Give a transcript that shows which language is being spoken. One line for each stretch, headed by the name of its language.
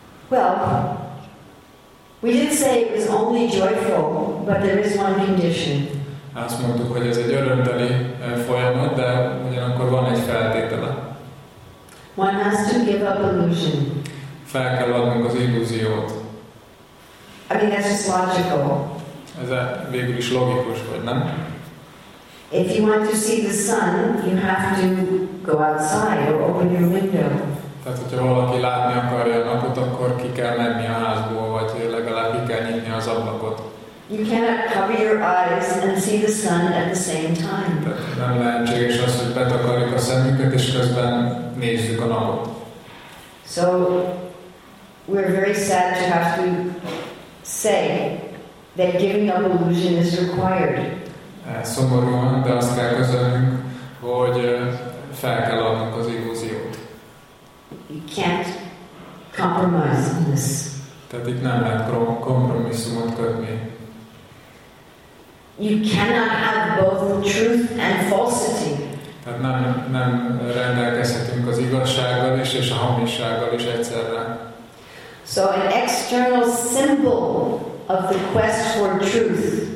English: Well, we did say it was only joyful, but there is one condition.
Hungarian: Azt mondtuk, hogy ez egy örömteli folyamat, de ugyanakkor van egy feltétele.
English: One has to give up illusion.
Hungarian: Fel kell adnunk az illúziót.
English: I mean, that's just logical.
Hungarian: Ez végül is logikus, vagy nem?
English: If you want to see the sun, you have to go outside or open your window.
Hungarian: Tehát, hogyha valaki látni akarja a napot, akkor ki kell menni a házból, vagy legalább ki kell nyitni az ablakot.
English: You cannot cover your eyes and see the sun at the same time.
Hungarian: Nem lehetséges az, hogy betakarjuk a szemünket, és közben nézzük a napot.
English: So, we're very sad to have to say that giving up illusion is required.
Hungarian: szomorúan, de azt kell közölnünk, hogy fel kell adnunk az illúziót.
English: You can't compromise on this.
Hungarian: Tehát itt nem lehet kompromisszumot kötni.
English: You cannot have both truth and falsity.
Hungarian: Tehát nem rendelkezhetünk az igazsággal is, és a hamissággal is egyszerre.
English: So an external symbol of the quest for truth.